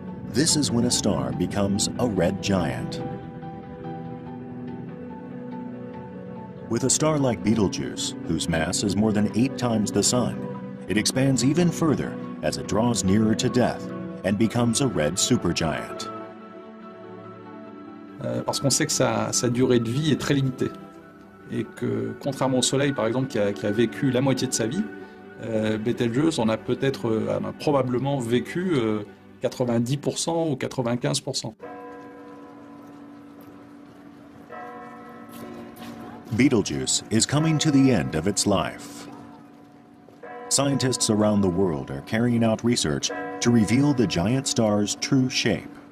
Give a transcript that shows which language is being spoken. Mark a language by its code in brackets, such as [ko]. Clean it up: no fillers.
[en] This is when a star becomes a red giant. With a star like Betelgeuse, whose mass is more than 8 times the Sun, it expands even further as it draws nearer to death and becomes a red supergiant. [fr] Parce qu'on sait que sa durée de vie est très limitée. Et que, contrairement au Soleil, par exemple, qui a vécu la moitié de sa vie, Betelgeuse en a peut-être, probablement vécu 90% ou 95%. [en] Betelgeuse is coming to the end of its life. Scientists around the world are carrying out research to reveal the giant star's true shape.